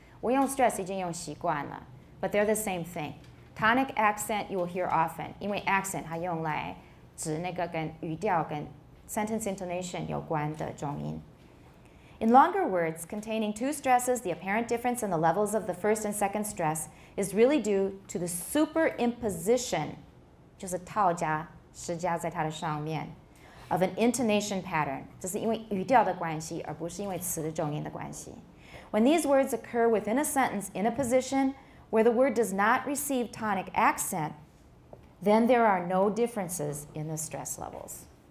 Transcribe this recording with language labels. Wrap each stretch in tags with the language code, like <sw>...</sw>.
<zh>我用 stress 已经用习惯了,</zh> <en>but they're the same thing. Tonic accent you will hear often,</en> <zh>因为 accent 它用来指那个跟语调跟 sentence intonation 有关的重音.</zh> <en>In longer words containing 2 stresses, the apparent difference in the levels of the first and second stress is really due to the superimposition,</en> <zh>就是套加施加在它的上面,</zh> <en>of an intonation pattern.</en> <zh>这是因为语调的关系，而不是因为词的重音的关系.</zh> <en>When these words occur within a sentence in a position where the word does not receive tonic accent, then there are no differences in the stress levels.</en>